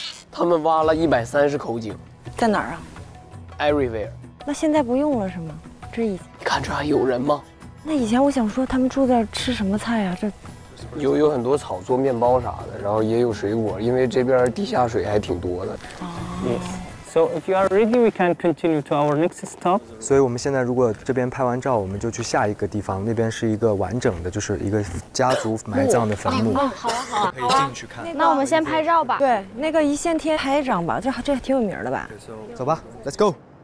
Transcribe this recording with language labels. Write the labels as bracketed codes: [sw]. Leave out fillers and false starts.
[zh] 他们挖了130口井，在哪儿啊 [en] ？Everywhere。 [zh] 那现在不用了是吗？这以前看着还有人吗？那以前我想说他们住在吃什么菜呀、啊？这有很多草做面包啥的，然后也有水果，因为这边地下水还挺多的。哦、 [en] yes. So if you are ready, we can continue to our next stop. [zh] 所以我们现在如果这边拍完照，我们就去下一个地方，那边是一个完整的，就是一个家族埋葬的坟墓。哦、好啊，好啊，可以进去看。那我们先拍照吧。对，那个一线天拍一张吧，这还挺有名的吧？ [en] Okay, so, [zh] 走吧 ， [en] Let's go。